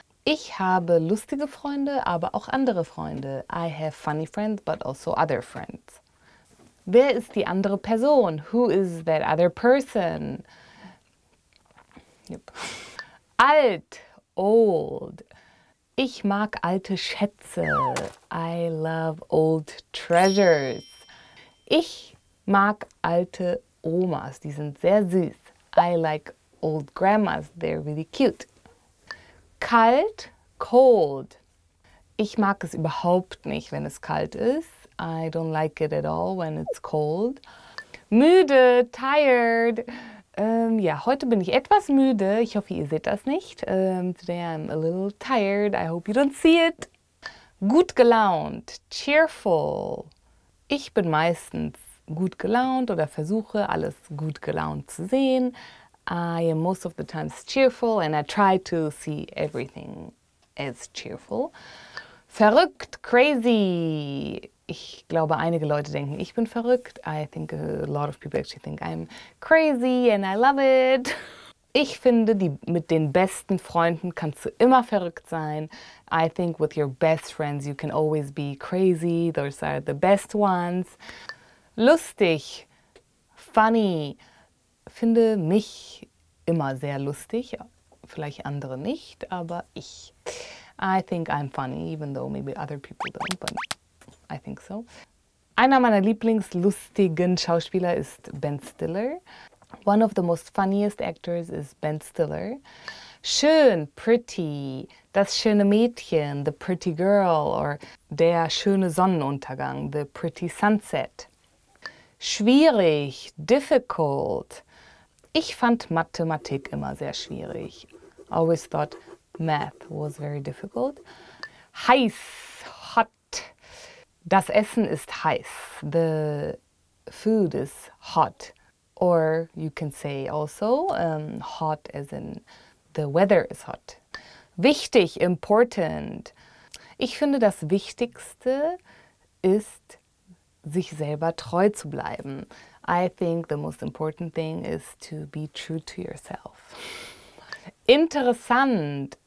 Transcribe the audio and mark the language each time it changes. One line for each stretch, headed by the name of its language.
German: Ich habe lustige Freunde, aber auch andere Freunde.
English: I have funny friends, but also other friends.
German: Wer ist die andere Person? Who is that other person? Yep. Alt, old. Ich mag alte Schätze.
English: I love old treasures.
German: Ich mag alte Omas, die sind sehr süß.
English: I like old grandmas, they're really cute. Kalt, cold.
German: Ich mag es überhaupt nicht, wenn es kalt ist.
English: I don't like it at all when it's cold.
German: Müde, tired. Ja, heute bin ich etwas müde. Ich hoffe, ihr seht das nicht. Today I'm a little tired.
English: I hope you don't see it. Gut gelaunt, cheerful.
German: Ich bin meistens gut gelaunt oder versuche, alles gut gelaunt zu sehen.
English: I am most of the times cheerful and I try to see everything as cheerful.
German: Verrückt, crazy. Ich glaube, einige Leute denken, ich bin verrückt.
English: I think a lot of people actually think I'm crazy and I love it.
German: Ich finde, mit den besten Freunden kannst du immer verrückt sein.
English: I think with your best friends you can always be crazy. Those are the best ones.
German: Lustig, funny, finde mich immer sehr lustig, vielleicht andere nicht, aber ich.
English: I think I'm funny, even though maybe other people don't, but I think so.
German: Einer meiner lieblingslustigen Schauspieler ist Ben Stiller.
English: One of the most funniest actors is Ben Stiller.
German: Schön, pretty, das schöne Mädchen, the pretty girl, or der schöne Sonnenuntergang, the pretty sunset. Schwierig, difficult. Ich fand Mathematik immer sehr schwierig.
English: Always thought math was very difficult. Heiß, hot.
German: Das Essen ist heiß. The food is hot.
English: Or you can say also hot as in the weather is hot.
German: Wichtig, important. Ich finde das Wichtigste ist sich selber treu zu bleiben.
English: I think the most important thing is to be true to yourself. Interessant.